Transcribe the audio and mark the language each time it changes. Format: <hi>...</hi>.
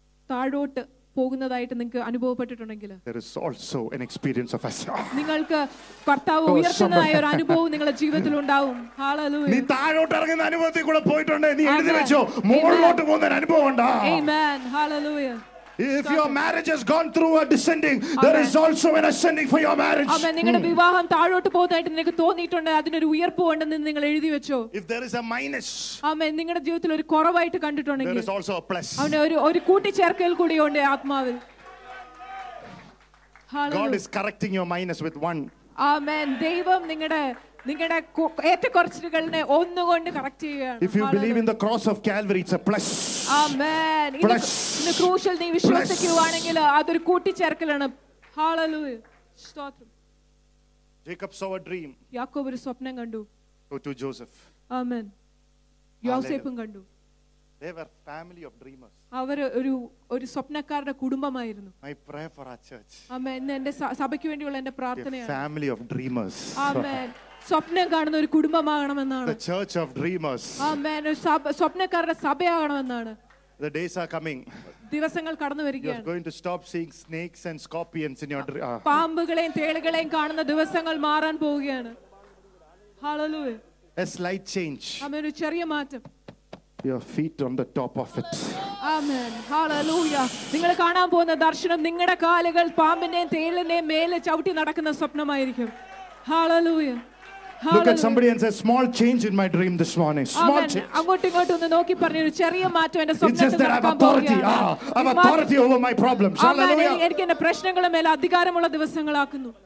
<ml>താഴോട്ട് പോകുന്നതായിട്ട് നിങ്ങൾക്ക് അനുഭവപ്പെട്ടിട്ടുണ്ടെങ്കിൽ</ml> <en>there is also an experience of us</en> <ml>നിങ്ങൾക്ക് കർത്താവ് ഉയർത്തുന്നതായ ഒരു അനുഭവം നിങ്ങളുടെ ജീവിതത്തിൽ ഉണ്ടാവും. ഹല്ലേലൂയ. നീ താഴോട്ട് ഇറങ്ങുന്ന അനുഭവത്തിൽ കൂടെ പോയിട്ടുണ്ട്. നീ എഴുതി വെച്ചോ മുകളിലോട്ട് പോകുന്ന ഒരു അനുഭവം ഉണ്ടാ. ആമേൻ. Hallelujah.</ml> <en>If your marriage has gone through a descending, amen. There is also an ascending for your marriage. Amen.</en> <ml>നിങ്ങളുടെ വിവാഹം താഴോട്ട് പോകുന്നതായിട്ട് നിങ്ങൾക്ക് തോന്നിയിട്ടുണ്ട്. അതിനൊരു ഉയർപ്പ് ഉണ്ടെന്ന് നിങ്ങൾ എഴുതി വെച്ചോ.</ml> <en>If there is a minus, amen.</en> <ml>നിങ്ങളുടെ ജീവിതത്തിൽ ഒരു കുറവായിട്ട് കണ്ടിട്ടുണ്ടെങ്കിൽ</ml> <en>there is also a plus.</en> <ml>അവനെ ഒരു കൂട്ടിച്ചേർക്കൽ കൂടി ഉണ്ട് ആത്മാവിൽ.</ml> <en>God is correcting your minus with one. Amen.</en> <ml>ദൈവം നിങ്ങളുടെ ഏറ്റക്കുറച്ചിലുകളെ ഒന്നുകൊണ്ട് കറക്റ്റ് ചെയ്യുകയാണ്.</ml> <en>If you believe in the cross of Calvary, it's a plus. Amen.</en> <ml>ഇന്ന് ക്രൂശിൽ നീ വിശ്വസിക്കുകയാണെങ്കിൽ അതൊരു കൂട്ടിച്ചേർക്കലാണ്. Hallelujah. സ്തോത്രം.</ml> <en>Jacob saw a dream.</en> <ml>യാക്കോബ് ഒരു സ്വപ്നം കണ്ടു.</ml> <en>Go to Joseph.</en> <ml>Amen. യോസേഫും കണ്ടു.</ml> <en>They were family of dreamers.</en> <ml>അവര് ഒരു സ്വപ്നക്കാരുടെ കുടുംബമായിരുന്നു.</ml> <en>I pray for our church. Amen.</en> <ml>എന്നെ സഭയ്ക്ക് വേണ്ടിയുള്ള എൻ്റെ പ്രാർത്ഥനയാണ്.</ml> <en>Family of dreamers. Amen.</en> <ml>സ്വപ്നം കാണുന്ന ഒരു കുടുംബമാകണമെന്നാണ്.</ml> <en>The church of dreamers.</en> <ml>Amen. സ്വപ്നക്കാരുടെ സഭയാകണമെന്നാണ്.</ml> <en>The days are coming.</en> <ml>ദിവസങ്ങൾ കടന്നു വരികയാണ്.</ml> <en>You're going to stop seeing snakes and scorpions in your dream.</en> <ml>പാമ്പുകളെയും തേളുകളെയും കാണുന്ന ദിവസങ്ങൾ മാറാൻ പോവുകയാണ്.</ml> <en>Hallelujah. A slight change.</en> <ml>Amen. ഒരു ചെറിയ മാറ്റം.</ml> <en>Your feet on the top of it. Amen. Hallelujah.</en> <ml>നിങ്ങൾ കാണാൻ പോകുന്ന ദർശനം നിങ്ങളുടെ കാലുകൾ പാമ്പിനെയും തേളിനെയും മേലെ ചവിട്ടി നടക്കുന്ന സ്വപ്നമായിരിക്കും.</ml> <en>Hallelujah. Look at somebody and say small change in my dream this morning. Small change.</en> <ml>അങ്ങോട്ടും ഇങ്ങോട്ടും നോക്കി പറഞ്ഞു ഒരു ചെറിയ മാറ്റം എന്റെ സ്വപ്നത്തിൽ നടക്കാൻ പോകുകയാണ്.</ml> <en>It's just that I have authority. I have authority over my problems. Hallelujah.</en> <ml>എനിക്ക് എന്റെ പ്രശ്നങ്ങളെ മേൽ അധികാരമുള്ള ദിവസങ്ങളാക്കുന്നു.</ml>